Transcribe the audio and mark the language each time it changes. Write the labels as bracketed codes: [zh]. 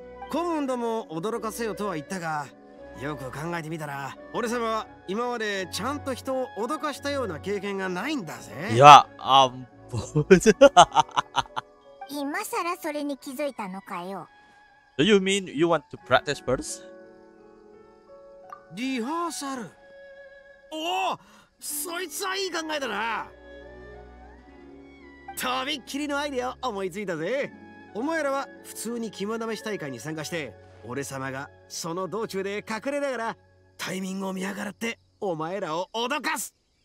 [ja] 顧問ども驚かせよとは言ったが、よく考えてみたら俺様は今までちゃんと人を脅かしたような経験がないんだぜ。いや、あんぽ。今さらそれに気づいたのかよ。 [en] Do you mean you want to practice first? [ja] リハーサル。おお、そいつはいい考えだな。とびっきりのアイディアを思いついたぜ。お前らは普通に肝試し大会に参加して、俺様がその道中で隠れながらタイミングを見計らってお前らを脅かす。